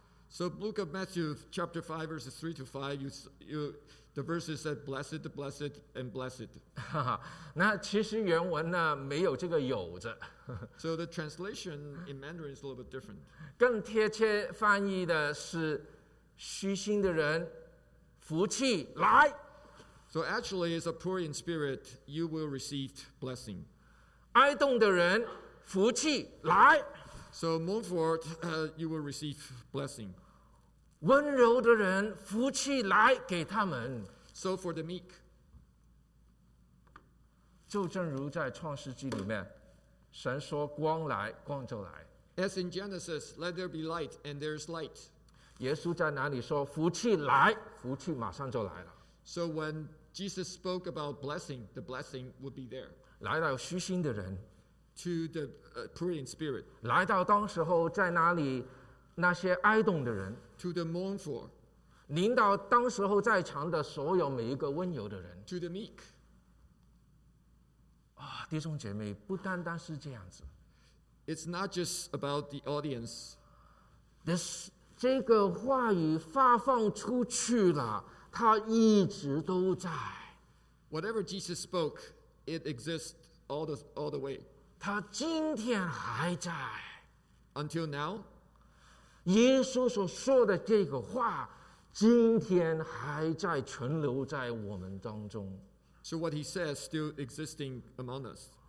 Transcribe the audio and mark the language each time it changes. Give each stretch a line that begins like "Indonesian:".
English: So book of Matthew chapter 5 verses 3 to 5 the verses said blessed, blessed and blessed.
Chinese: 那其实原文呢没有这个有字。
English: So the translation in Mandarin is a little bit different.
Chinese: 更贴切翻译的是虚心的人福气来。
English: So actually as a poor in spirit you will receive blessing.
Chinese: 哀恸的人福气来。
English: So mournful, you will receive blessing.
Chinese: 温柔的人福气来给他们。
English: So for the meek.
Chinese: 就正如在创世纪里面，神说光来，光就来。
English: As in Genesis, let there be light, and there is light.
Chinese: 耶稣在哪里说福气来，福气马上就来了。
English: So when Jesus spoke about blessing, the blessing would be there.
Chinese: 来到虚心的人。
English: To the poor in spirit.
Chinese: 来到当时候在哪里那些哀恸的人。
English: To the mournful.
Chinese: 临到当时候在场的所有每一个温柔的人。
English: To the meek.
Chinese: 啊，弟兄姐妹，不单单是这样子。
English: It's not just about the audience. This,
Chinese: 这个话语发放出去了，它一直都在。
English: Whatever Jesus spoke, it exists all the way.
Chinese: 他今天还在。
English: Until now,
Chinese: 耶稣所说的这个话，今天还在存留在我们当中。
English: So what he says still existing among us.